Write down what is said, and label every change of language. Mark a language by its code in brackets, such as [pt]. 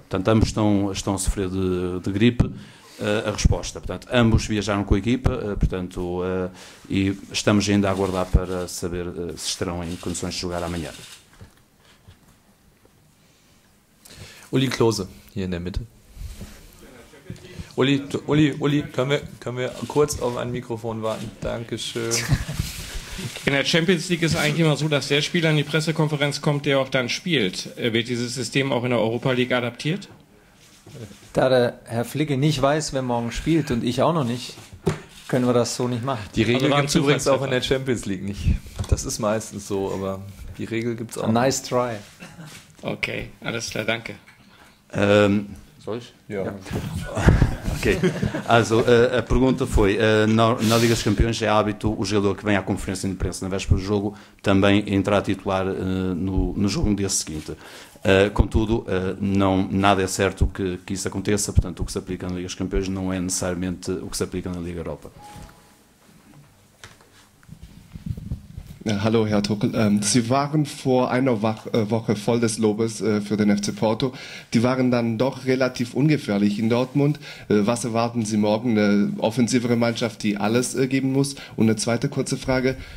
[pt] Portanto, ambos estão a sofrer de gripe. A resposta, portanto, ambos viajaram com a equipa, portanto, e estamos ainda a aguardar para saber se estarão em condições de jogar amanhã. [de] Uli Klose, hier in der Mitte. Uli, können wir kurz auf ein Mikrofon warten? Dankeschön. In der Champions League ist eigentlich immer so, dass der Spieler in die Pressekonferenz kommt, der auch dann spielt. Wird dieses System auch in der Europa League adaptiert? Da der Herr Flicke nicht weiß, wer morgen spielt und ich auch noch nicht, können wir das so nicht machen. Die Regel gibt es übrigens auch in der Champions League nicht. Das ist meistens so, aber die Regel gibt es auch. [en] Nice try. [de] Okay, alles klar, danke. Soll ich? Ja. [pt] Ok, also a pergunta foi, na Liga dos Campeões é hábito o jogador que vem à conferência de imprensa na véspera do jogo também entrar a titular no jogo no dia seguinte. Contudo, não, nada é certo que isso aconteça, portanto o que se aplica na Liga dos Campeões não é necessariamente o que se aplica na Liga Europa. [de] Hallo Herr Tuchel, Sie waren vor einer Woche voll des Lobes für den FC Porto. Die waren dann doch relativ ungefährlich in Dortmund. Was erwarten Sie morgen? Eine offensivere Mannschaft, die alles geben muss? Und eine zweite kurze Frage.